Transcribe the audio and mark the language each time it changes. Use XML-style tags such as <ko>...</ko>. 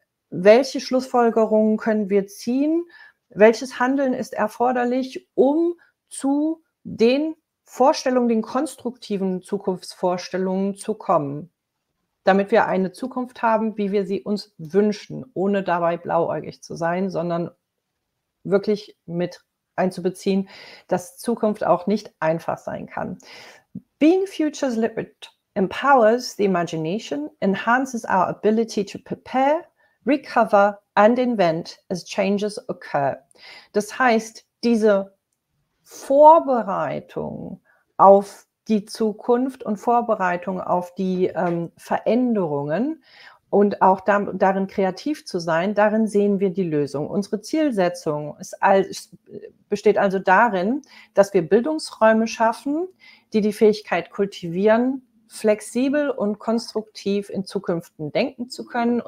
<de>welche Schlussfolgerungen können wir ziehen, welches Handeln ist erforderlich, um zu den Vorstellungen, den konstruktiven Zukunftsvorstellungen zu kommen, damit wir eine Zukunft haben, wie wir sie uns wünschen, ohne dabei blauäugig zu sein, sondern wirklich mit einzubeziehen, dass Zukunft auch nicht einfach sein kann.</de> <en>Being futures literate empowers the imagination, enhances our ability to prepare, recover and invent as changes occur.</en> <de>Das heißt, diese Vorbereitung auf die Zukunft und Vorbereitung auf die Veränderungen und auch darin kreativ zu sein, darin sehen wir die Lösung. Unsere Zielsetzung besteht also darin, dass wir Bildungsräume schaffen, die die Fähigkeit kultivieren, flexibel und konstruktiv in Zukünften denken zu können.</de>